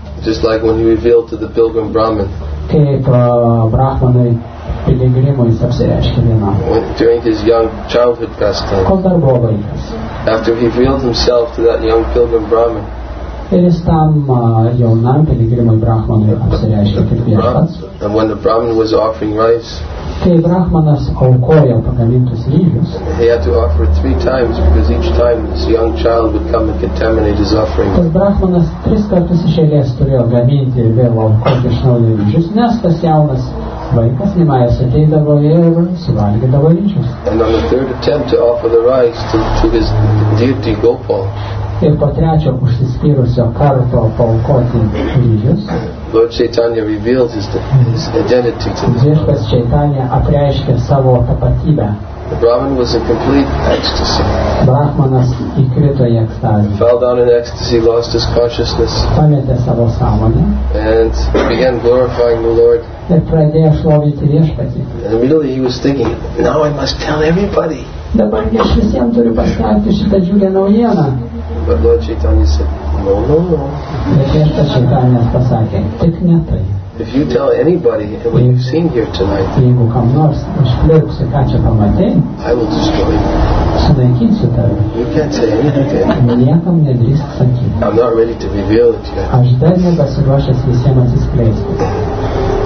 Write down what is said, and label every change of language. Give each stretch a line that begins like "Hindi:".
English: Just like when he revealed to the pilgrim Brahmin. During his young childhood pastime, after he revealed himself to that young pilgrim Brahmin, and when the Brahmin was offering rice,
Lithuanian: kai Brahmanas aukojo pagamintus ryžius,
English: he had to offer it three times because each time this young child would come and contaminate his offering.
Lithuanian: Tas Brahmanas tris kartus iš eilės turėjo gaminti vėl aukoti iš naujo ryžius, nes tas jaunas vaikas nemajas ateidavo ir suvalgydavo ryžius.
English: And on the third attempt to offer the rice to his deity Gopal,
Lithuanian: ir po trečio užsispyrusio karto paukoti ryžius,
English: Lord Chaitanya revealed his identity to him.
Lithuanian: Viešpats Chaitanya apreiškė savo tapatybę.
English: The Brahmin was in complete ecstasy.
Lithuanian: Brahmanas įkrito į ekstazę.
English: He fell down in ecstasy, lost his consciousness.
Lithuanian: Pametė savo sąmonę.
English: And began glorifying the Lord.
Lithuanian: Ir pradėjo šlovyti Viešpatį.
English: And immediately he was thinking, now I must tell everybody.
Lithuanian: Dabar aš visiems turiu paskelbti šitą džiugią naujieną.
English: But Lord Chaitanya said, No. If you tell anybody what you've seen here tonight, I will destroy you. You can't say anything. I'm not ready to reveal it yet.